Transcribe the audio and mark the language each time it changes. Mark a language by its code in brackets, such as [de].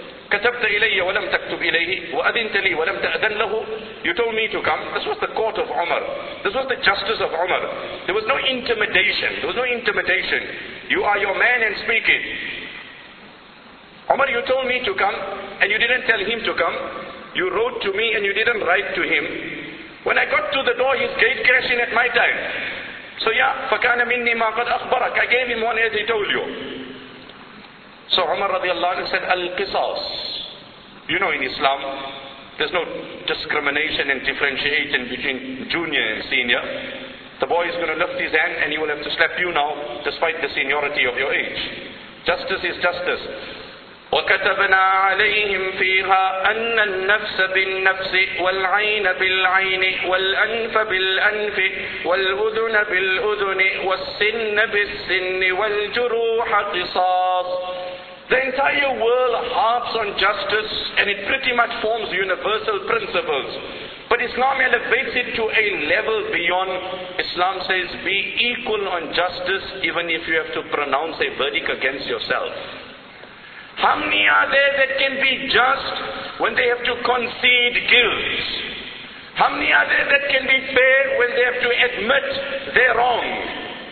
[ar] كتبت إليه ولم تكتب إليه وأذنت لي ولم تأذن له [en] You told me to come. This was the court of Umar. This was the justice of Umar. There was no intimidation. You are your man and speak it. Umar, you told me to come and you didn't tell him to come. You wrote to me and you didn't write to him. When I got to the door, his gate crashing at my time. So yeah, [ar] فَكَانَ مِنِّي مَا قَدْ أَخْبَرَكَ [en] I gave him one as he told you. So Umar radiallahu anhu said, Al-Qisas. You know in Islam, there's no discrimination and differentiation between junior and senior. The boy is going to lift his hand and he will have to slap you now, despite the seniority of your age. Justice is justice. [ar] وَكَتَبْنَا عَلَيْهِمْ فِيهَا أَنَّ النَّفْسَ بِالنَّفْسِ وَالْعَيْنَ بِالْعَيْنِ وَالْأَنْفَ بِالْأَنْفِ وَالْأُذُنَ بِالْأُذُنِ وَالسِّنَّ بِالسِّنِّ وَالْجُرُوحَ قِصَاصٌ [en] The entire world harps on justice and it pretty much forms universal principles. But Islam elevates it to a level beyond. Islam says, be equal on justice even if you have to pronounce a verdict against yourself. How many are there that can be just when they have to concede guilt? How many are there that can be fair when they have to admit their wrong?